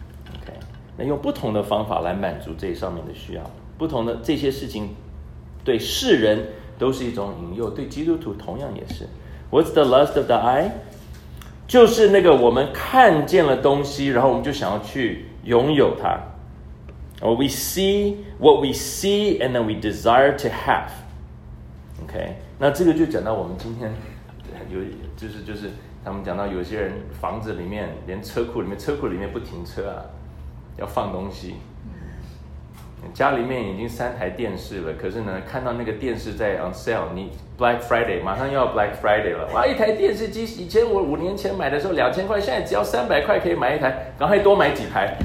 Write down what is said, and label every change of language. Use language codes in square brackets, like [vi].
[zh] OK， 那用不同的方法来满足这上面的需要，不同的这些事情。对世人都是一种引诱，对基督徒同样也是。 [en] What's the lust of the eye? [zh] 就是那个我们看见了东西，然后我们就想要去拥有它。 [en] We see what we see, and then we desire to have. [zh] Okay, 那这个就讲到我们今天有就是他们讲到有些人房子里面连车库里面不停车啊，要放东西。家里面已经三台电视了，可是呢，看到那个电视在 [en] on sale， [zh] 你 Black Friday 马上又要 Black Friday 了，哇！一台电视机以前我5年前买的时候2000块，现在只要300块可以买一台，赶快多买几台。